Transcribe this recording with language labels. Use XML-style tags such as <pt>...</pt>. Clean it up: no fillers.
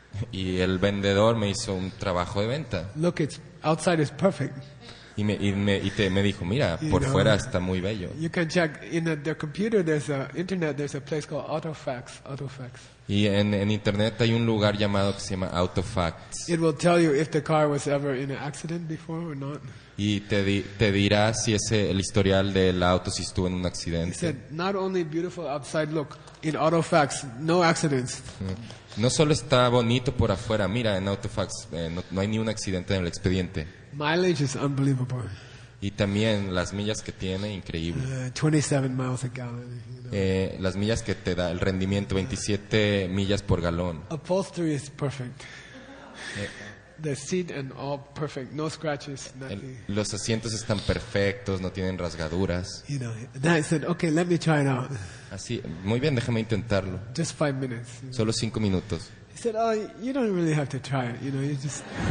<es>Y el vendedor me hizo un trabajo de venta.</es> <en>Look, outside is perfect.</en> <es>Y me dijo, mira,</es> <en>you</en> <es>por know, fuera está muy bello.</es> <en>You can check in their computer. There's a internet. There's a place called Autofax. Autofax.</en> <es>Y en internet hay un lugar llamado que se llama Autofax.</es> <en>It will tell you if the car was ever in an accident before or not.</en> <es>Y te dirá si ese el historial del auto si estuvo en un accidente.</es> <en>He said, not only beautiful outside, look, in Autofax, no accidents.</en> <es>No solo está bonito por afuera, mira, en Autofax no hay ni un accidente en el expediente.</es> <en>Mileage is unbelievable.</en> <es>Y también las millas que tiene, increíble.</es> <en>27 miles a gallon.</en> <es>Las millas que te da el rendimiento, 27 millas por galón.</es> <en>Upholstery is perfect. The seat and all perfect, no scratches, nothing.</en> <es>Los asientos están perfectos, no tienen rasgaduras.</es> <en>You know, then I said, okay, let me try it out.</en> <es>Así, muy bien, déjame intentarlo.</es> <en>Just 5 minutes.</en> <es>Solo 5 minutos.</es> <en>He said, oh, you don't really have to try it, you know, you just.</en>